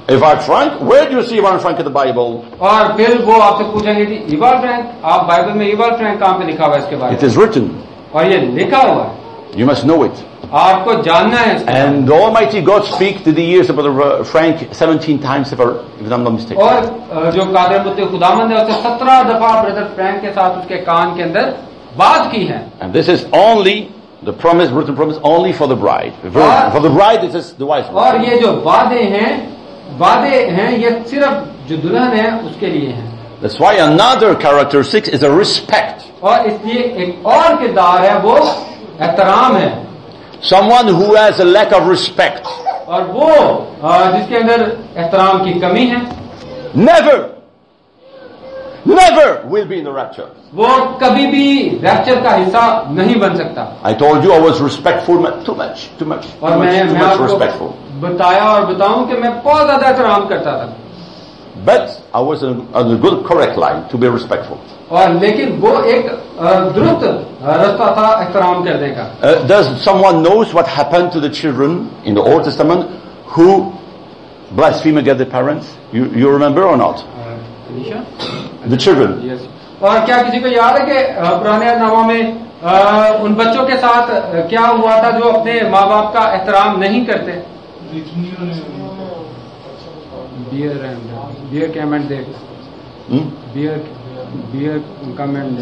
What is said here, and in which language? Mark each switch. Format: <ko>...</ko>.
<en>Ivan Frank, where do you see Ivan Frank in the Bible?</en> <hi>और फिर वो आपसे पूछेंगे कि Ivan Frank, आप बाइबल में Ivan Frank कहां पे लिखा हुआ है इसके बारे में.</hi> <en>It is written.</en> <hi>और ये लिखा हुआ है.</hi> <en>You must know it.</en> <hi>आपको जानना है.</hi> <en>And Almighty God speak to the ears of Brother Frank 17 times, if I'm not mistaken.</en> <hi>और जो कादर मुत्ते खुदामंद है उसे 17 दफा ब्रदर फ्रैंक के साथ उसके कान के अंदर बात की है.</hi> <en>And this is only the promise, written promise, only for the bride. For the bride, this is the wise one.</en> <hi>और ये जो वादे हैं ये सिर्फ जो दुल्हन है उसके लिए हैं.</hi> <en>That's why another characteristic is a respect.</en> <hi>और इसलिए एक और किरदार है वो एहतराम है.</hi> <en>Someone who has a lack of respect.</en> <hi>और वो जिसके अंदर एहतराम की कमी है.</hi> <en>Never, never will be in the rapture.</en> <hi>वो कभी भी रैप्चर का हिस्सा नहीं बन सकता.</hi> <en>I told you I was respectful too much.</en> <hi>और मैं आपको respectful. बताया और बताऊं कि मैं बहुत ज्यादा एहतराम करता था.</hi> <en>But I was on a good, correct line to be respectful.</en> <hi>और लेकिन वो एक द्रुत रास्ता था एहतराम करने का.</hi> <en>Does someone knows what happened to the children in the Old Testament who blaspheme against their parents? You remember or not? Anisha? The children. Yes.</en> <hi>और क्या किसी को याद है कि पुराने नामों में उन बच्चों के साथ क्या हुआ था जो अपने माँ बाप का एहतराम नहीं करते?</hi> <en>bear came and bear come and</en>